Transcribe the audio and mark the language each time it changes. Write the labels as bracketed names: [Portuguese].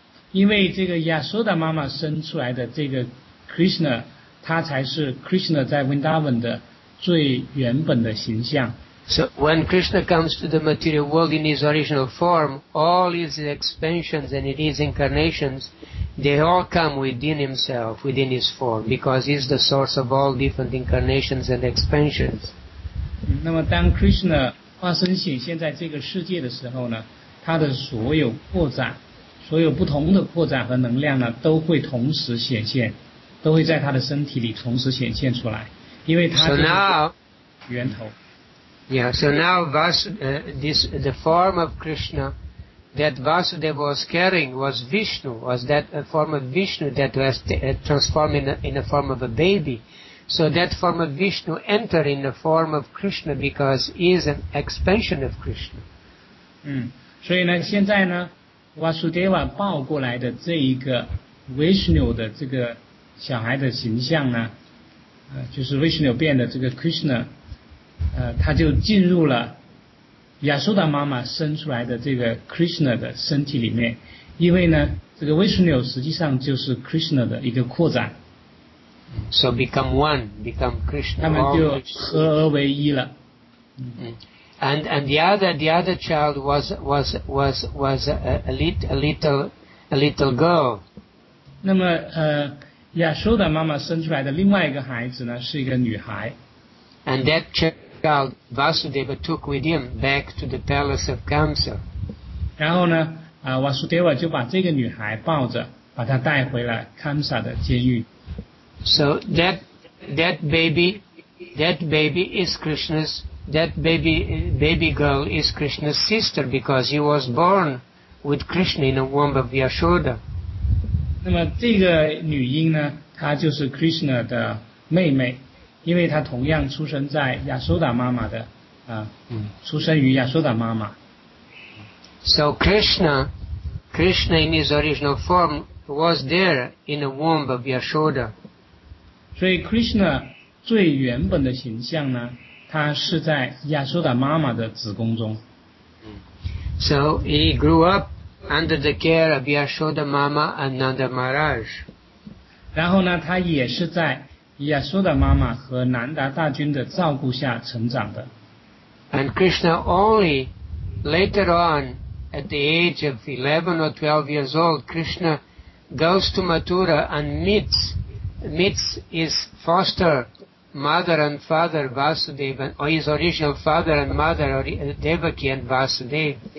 [Chinese] 因为这个亚修达妈妈生出来的这个 Krishna, 他才是 Krishna 在 Vrindavan 的最原本的形象。 [English] So when Krishna comes to the material world in his original form, all his expansions and his incarnations, they all come within himself, within his form, because he is the source of all different incarnations and expansions. [Chinese] 那么当 Krishna 化身显现在这个世界的时候呢，他的所有扩展，所有不同的扩展和能量呢，都会同时显现，都会在他的身体里同时显现出来，因为他就是源头。 [English] Yeah, so now the form of Krishna that Vasudeva was carrying was Vishnu, was that a form of Vishnu that was transformed in a form of a baby. So that form of Vishnu entered in the form of Krishna because he is an expansion of Krishna. [Chinese] 所以呢现在呢 Vasudeva 抱过来的这一个 Vishnu 的这个小孩的形象呢就是 Vishnu 变的这个 Krishna,他就进入了亚苏达妈妈生出来的这个 Krishna 的身体里面，因为呢，这个 Vishnu 实际上就是 Krishna 的一个扩展。 [English] So become one, become Krishna. [Chinese] 他们就合而为一了。 [English] And the other child was a little girl. [Chinese] 那么亚苏达妈妈生出来的另外一个孩子呢，是一个女孩。 [English] And that child. Child Vasudeva took with him back to the palace of Kamsa. [Chinese] 然后呢，Vasudeva 就把这个女孩抱着，把她带回了 Kamsa 的监狱。 [English] So that baby girl is Krishna's sister because he was born with Krishna in the womb of Yashoda. [Chinese] 那么这个女婴呢，她就是 Krishna 的妹妹。因为他同样出生在亚苏达妈妈的出生于亚苏达妈妈。 [English] So Krishna in his original form was there in the womb of Yashoda. [Chinese] 所以 Krishna 最原本的形象呢，他是在亚苏达妈妈的子宫中。 [English] So he grew up under the care of Yashoda Mama and Nanda Maharaj. [Chinese] 然后呢，他也是在亚苏达妈妈和南达大军的照顾下成长的。 [English] And Krishna only later on, at the age of 11 or 12 years old, Krishna goes to Mathura and meets his foster mother and father Vasudeva, or his original father and mother Devaki and Vasudeva.